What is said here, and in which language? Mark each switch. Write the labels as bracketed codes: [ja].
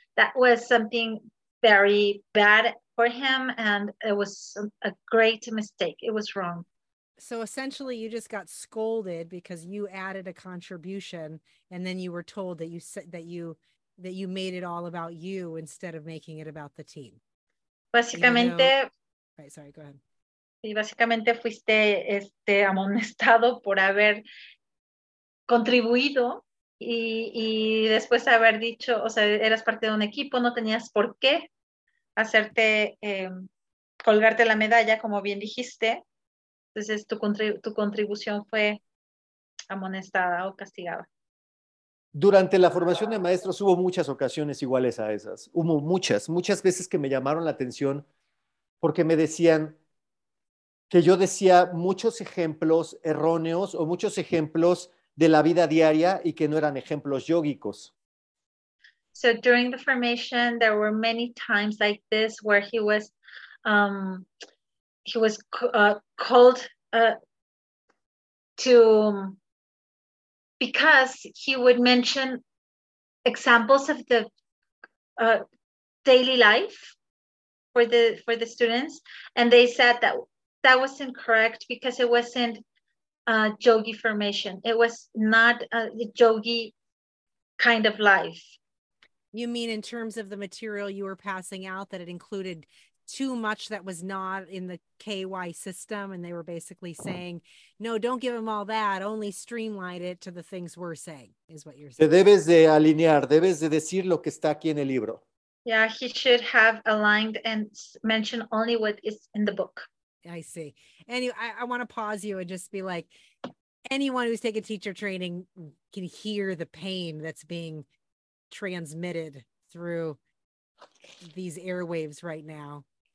[en] That was something very bad for him, and it was a great mistake. It was wrong. So essentially, you just got scolded because you added a contribution, and then you were told that you made it all about you instead of making it about the team. [es] Básicamente, [en] go ahead. [es] Y básicamente fuiste amonestado por haber contribuido y después haber dicho, o sea, eras parte de un equipo, no tenías por qué hacerte colgarte la medalla, como bien dijiste. Entonces tu contribución fue amonestada o castigada. Durante la formación de maestros hubo muchas ocasiones iguales a esas. Hubo muchas veces que me llamaron la atención porque me decían que yo decía muchos ejemplos erróneos o muchos ejemplos de la vida diaria y que no eran ejemplos yógicos. [en] So during the formation, there were many times like this where he was called to... Because he would mention examples of the daily life for the students, and they said that was incorrect because it wasn't yogi formation. It was not a yogi kind of life. You mean in terms of the material you were passing out, that it included too much that was not in the KY system, and they were basically saying, no, don't give them all that, only streamline it to the things we're saying, is what you're saying. [es] Te debes de alinear, debes de decir lo que está aquí en el libro. [en] Yeah, he should have aligned and mentioned only what is in the book. I see. Anyway, I want to pause you and just be like, anyone who's taken teacher training can hear the pain that's being transmitted through these airwaves right now.